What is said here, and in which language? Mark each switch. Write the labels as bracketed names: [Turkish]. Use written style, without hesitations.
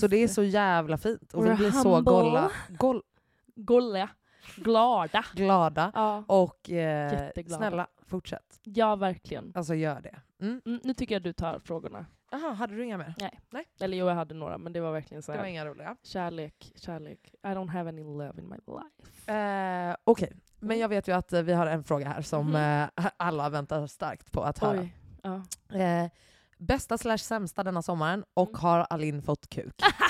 [Swedish] Så det är så jävla fint. Och vi blir så golla. Golliga. Glada. Ja. Och snälla, fortsätt. Ja, verkligen. Alltså, gör det. Nu tycker jag att du tar frågorna. Jaha, hade du inga mer? Nej. Eller jag hade några, men det var verkligen så här. Det var inga roliga. Kärlek. [English] I don't have any love in my life. [Swedish] Okej. Men jag vet ju att vi har en fråga här som alla väntar starkt på att höra. Ja. Bästa / sämsta denna sommaren och har Alin fått kuk?